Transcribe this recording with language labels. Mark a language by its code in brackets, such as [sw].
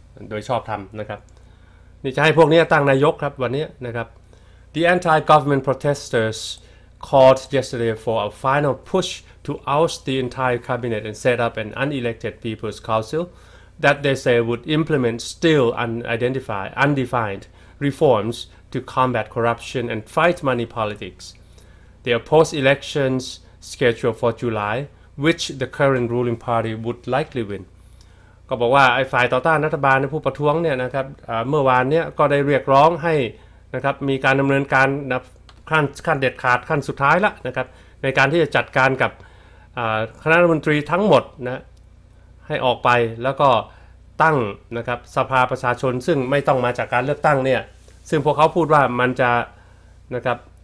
[th] โดยชอบธรรมนะครับนี่จะให้พวกนี้ตั้งนายกครับวันนี้นะครับ [en] The anti-government protesters called yesterday for a final push to oust the entire cabinet and set up an unelected people's council that they say would implement still undefined reforms to combat corruption and fight money politics. They oppose elections scheduled for July, which the current ruling party would likely win. [th] ก็บอกว่าไอ้ฝ่ายต่อต้านรัฐบาลผู้ประท้วงเนี่ยนะครับเมื่อวานเนี่ยก็ได้เรียกร้องให้นะครับมีการดำเนินการขั้นเด็ดขาดขั้นสุดท้ายละนะครับในการที่จะจัดการกับคณะรัฐมนตรีทั้งหมดนะให้ออกไปแล้วก็ตั้งนะครับสภาประชาชนซึ่งไม่ต้องมาจากการเลือกตั้งเนี่ยซึ่งพวกเขาพูดว่ามันจะนะครับ